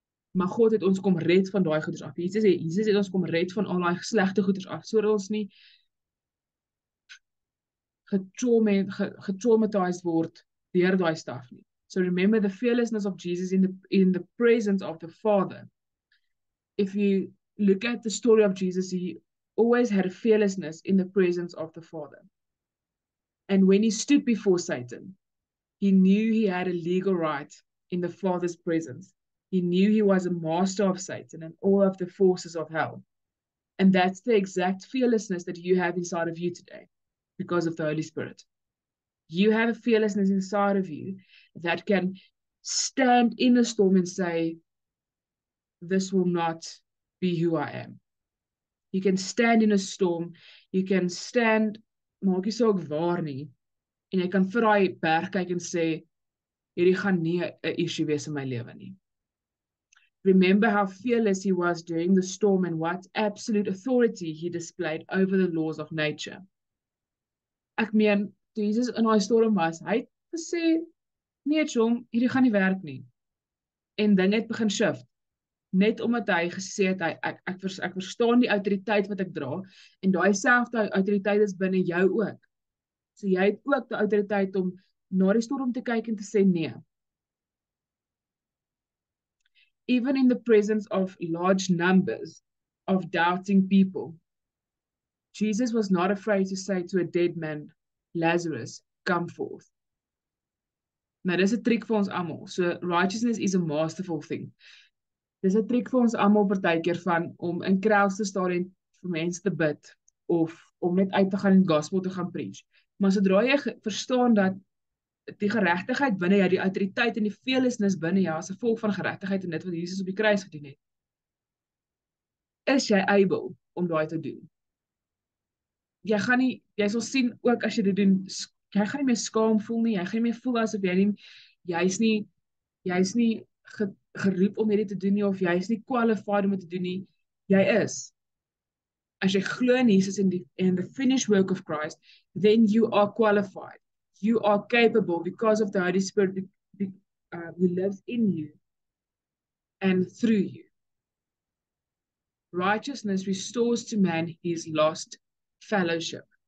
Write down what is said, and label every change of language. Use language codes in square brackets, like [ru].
[af] Maar God het ons kom red van daai goeders af. Jesus het ons kom red van al daai slegte goeders af sodat ons nie getraumatiseerd word deur daai stof nie. [en] So remember the fearlessness of Jesus in the presence of the Father. If you look at the story of Jesus, he always had a fearlessness in the presence of the Father. And when he stood before Satan, he knew he had a legal right in the Father's presence. He knew he was a master of Satan and all of the forces of hell. And that's the exact fearlessness that you have inside of you today because of the Holy Spirit. You have a fearlessness inside of you that can stand in a storm and say, this will not be who I am. You can stand in a storm. You can stand, [af] maak jy saak waar nie, en jy kan vir daai berg kyk en sê, hierdie gaan nie 'n issue wees in my lewe nie. [en] Remember how fearless he was during the storm and what absolute authority he displayed over the laws of nature. [af] Ek meen, Jesus in daai storm was, hy het gesê, nee Tjom, hierdie gaan nie werk nie. En ding het begin shift. Net omdat hy gesê het, ek verstaan die autoriteit wat ek dra, en daai selfde autoriteit is binne jou ook. So jy het ook die autoriteit om na die storm te kyk en te sê nee. [en] Even in the presence of large numbers of doubting people, Jesus was not afraid to say to a dead man, Lazarus, come forth. [af] Nou, dis 'n triek vir ons almal. [en] So, righteousness is a masterful thing. [af] Dis 'n triek vir ons almal partykeer van om in kruis te staan en vir mense te bid, of om net uit te gaan en gospel te gaan preach. Maar sodra jy verstaan dat die geregtigheid binne jou, die autoriteit en die fearlessness binne jou, as 'n volk van geregtigheid en dit wat Jesus op die kruis gedoen het, is jy able om daai te doen. Jy gaan nie, jy sal sien ook as jy dit doen, jy gaan nie meer skaam voel nie, jy gaan nie meer voel asof jy is nie geroep om hierdie te doen nie, of jy is nie qualified om dit te doen nie, jy is. As jy glo [en] in Jesus in the finished work of Christ, then you are qualified. You are capable because of the Holy Spirit who lives in you and through you. Righteousness restores to man his lost fellowship.